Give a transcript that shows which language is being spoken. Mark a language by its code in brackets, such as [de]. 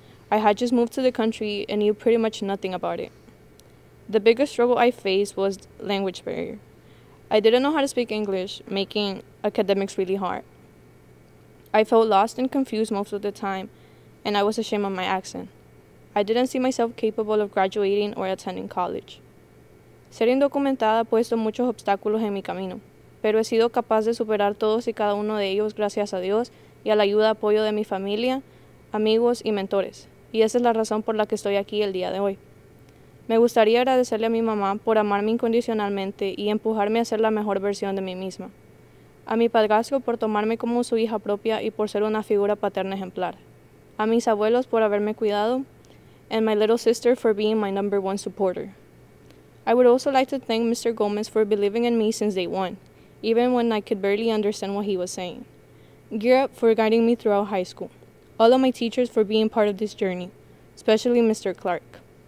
[en] I had just moved to the country and knew pretty much nothing about it. The biggest struggle I faced was language barrier. I didn't know how to speak English, making academics really hard. I felt lost and confused most of the time, and I was ashamed of my accent. I didn't see myself capable of graduating or attending college. [es] Ser indocumentada ha puesto muchos obstáculos en mi camino, pero he sido capaz de superar todos y cada uno de ellos gracias a Dios y a la ayuda y apoyo de mi familia, amigos y mentores, y esa es la razón por la que estoy aquí el día de hoy. Me gustaría agradecerle a mi mamá por amarme incondicionalmente y empujarme a ser la mejor versión de mí misma. A mi padrastro por tomarme como su hija propia y por ser una figura paterna ejemplar. A mis abuelos por haberme cuidado. [en] And my little sister for being my number one supporter. I would also like to thank Mr. Gomez for believing in me since day one, even when I could barely understand what he was saying. Gear Up for guiding me throughout high school. All of my teachers for being part of this journey, especially Mr. Clark.